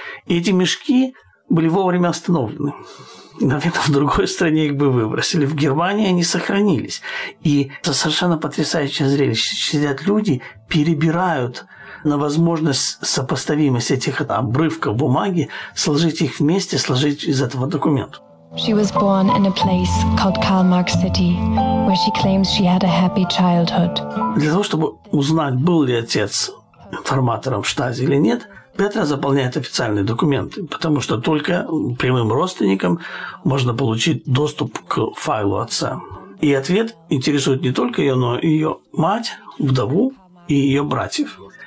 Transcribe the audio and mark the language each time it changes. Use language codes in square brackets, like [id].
[ru] И эти мешки были вовремя остановлены. Наверное, в другой стране их бы выбросили. В Германии они сохранились. И это совершенно потрясающее зрелище. Сидят люди, перебирают на возможность сопоставимость этих обрывков бумаги, сложить их вместе, сложить из этого документ. [en] She was born in a place called Karl Marx City, where she claims she had a happy childhood. [ru] Для того, чтобы узнать, был ли отец информатором Штази или нет, Петра заполняет официальные документы, потому что только прямым родственникам можно получить доступ к файлу отца. И ответ интересует не только ее, но и ее мать, вдову и ее братьев.